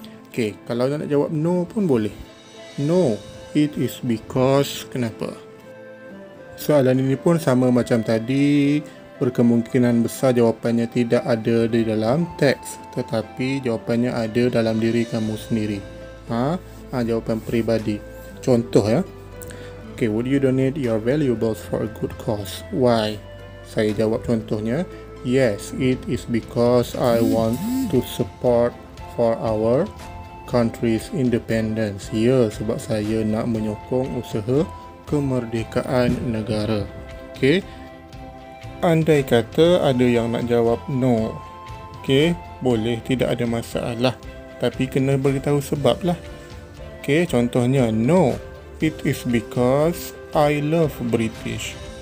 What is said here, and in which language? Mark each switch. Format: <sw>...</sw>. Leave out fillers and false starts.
<ms>Okay, kalau nak jawab no pun boleh.</ms> <en>No, it is because.</en> <ms>Kenapa? Soalan ini pun sama macam tadi. Berkemungkinan besar jawapannya tidak ada di dalam teks, tetapi jawapannya ada dalam diri kamu sendiri. Jawapan peribadi. Contoh ya.</ms> <en>Okay, would you donate your valuables for a good cause? Why?</en> <ms>Saya jawab contohnya,</ms> <en>yes, it is because I want to support for our country's independence.</en> <ms>Ya, sebab saya nak menyokong usaha kemerdekaan negara. Okay. Andai kata ada yang nak jawab no, okay, boleh, tidak ada masalah. Tapi kena beritahu sebab lah.</ms> <en>Okay,</en> <ms>contohnya,</ms> <en>no, it is because I love British.</en>